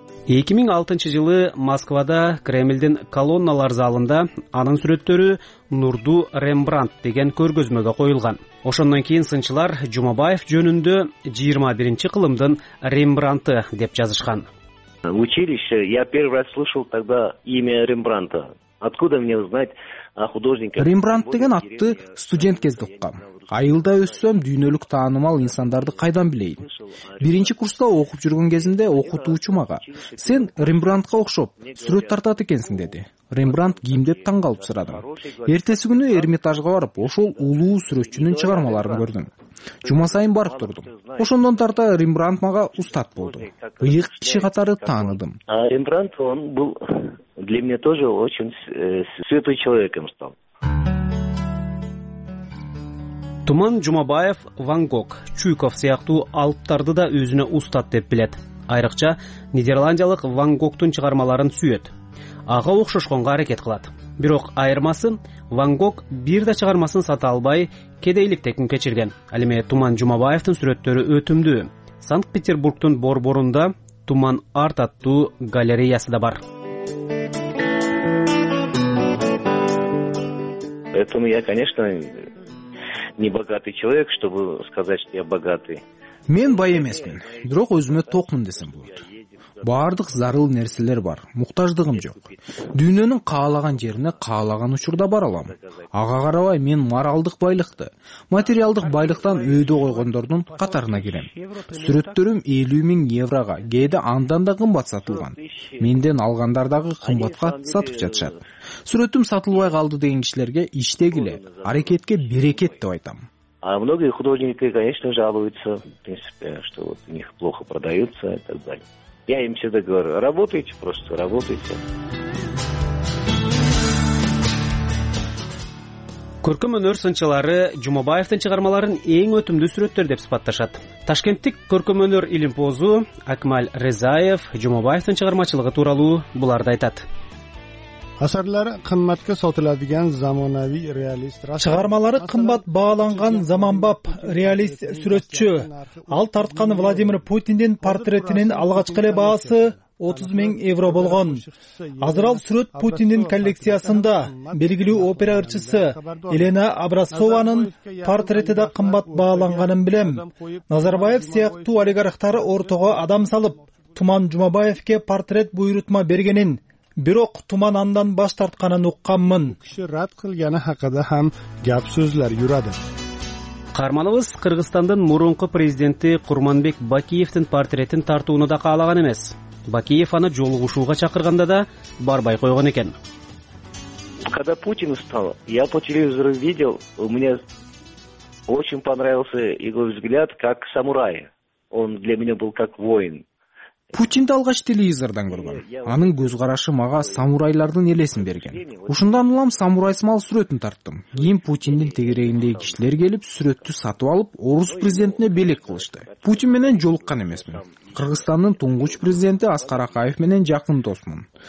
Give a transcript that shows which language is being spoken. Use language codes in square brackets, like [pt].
[ky] 2006 жылы Москвада Кремлдин колонналар залында анын сүрөттөрү Нурду Рембрандт деген көргөзмөгө коюлган. Ошондон кийин сынчылар Жумабаев жөнүндө 21-кылымдын Рембрандты деп жазышкан. [ru] Училище, я первый раз слышал тогда имя Рембрандта. Откуда мне знать о художнике? [ky] Рембрандт деген атты студент кезде уккам. айылда өссөм дүйнөлүк таанымал инсандарды кайдан билейин. Биринчи курста окуп жүргөн кезимде окутуучум ага: «Сен Рембрандтка окшоп сүрөт тартат экенсиң», деди. Рембрандт ким деп таң калып сурадым. Эртеси күнү Эрмитажга барып, ошол улуу сүрөтчүнүн чыгармаларын көрдүм. Жума сайын барып турдум. Ошондон тарта Рембрандт мага устат болду. Ыйык киши катары тааныдым. [ru] А Рембрандт он был для меня тоже очень святой человеком стал. [ky] Туман Жумабаев Ван Гог, Чуйков сыяктуу алыптарды да өзүнө устат деп билет. Айрыкча нидерландиялык Ван Гогтун чыгармаларын сүйөт. Ага окшошконго аракет кылат. Бирок айырмасы, Ван Гог бир да чыгармасын сата албай кедейликте күн кечирген. Ал эми Туман Жумабаевдин сүрөттөрү өтүмдүү. Санкт-Петербургтун борборунда Туман Арт аттуу галереясы да бар. [ru] Поэтому я, конечно, не богатый человек, чтобы сказать, что я богатый. [ky] Мен бай эмесмин, бирок өзүмө токмун десем болот. Бардык зарыл нерселер бар, муктаждыгым жок. Дүйнөнүн каалаган жерине каалаган учурда бара алам. Ага карабай мен моралдык байлыкты, материалдык байлыктан өйдө койгондордун катарына кирем. Сүрөттөрүм 50,000 еврога, кээде андан да кымбат сатылган. Менден алгандар дагы кымбатка сатып жатышат. Сүрөтүм сатылбай калды деген кишилерге иштегиле, аракетке берекет деп айтам. [ru] А многие художники, конечно, жалуются, в принципе, что вот у них плохо продаются и так далее. Я им всегда говорю: работайте, просто работайте. [ky] Көркөм өнөр сынчылары Жумабаевдин чыгармаларын эң өтүмдүү сүрөттөр деп сыпатташат. Ташкенттик көркөм өнөр илимпозу Акмаль Рызаев Жумабаевдин чыгармачылыгы тууралуу буларды айтат. [uz] Асарлар кымбатка сатыладыган заманавий реалист. [ky] Чыгармалары кымбат бааланган заманбап реалист сүрөтчү. Ал тарткан Владимир Путиндин портретинин алгачкы эле баасы 30,000 евро болгон. Азыр ал сүрөт Путиндин коллекциясында. Белгилүү опера ырчысы Елена Абрасованын портрети да кымбат бааланганын билем. Назарбаев сыяктуу олигархтар ортого адам салып, Туман Жумабаевке портрет буйрутма бергенин, бирок Туман андан баш тартканын укканмын. [uz] Киши рад кылганы хакыда хам гап сөздөр жүрөдү. [ky] Карманыбыз Кыргызстандын мурунку президенти Курманбек Бакиевдин портретин тартууну да каалаган эмес. Бакиев аны жолугушууга чакырганда да барбай койгон экен. [ru] Когда Путин устал, я по телевизору видел, у меня очень понравился его взгляд как самурай. Он для меня был как воин. [ky] Путинди алгач телевизордон көргөм. Анын көз карашы мага самурайлардын элесин берген. Ушундан улам самурай смал сүрөтүн тарттым. Кийин Путиндин тегерегиндеги кишилер келип, сүрөттү сатып алып, орус президентине белек кылышты. Путин менен жолуккан эмесмин. Кыргызстандын туңгуч президенти Аскар Акаев менен жакын досмун.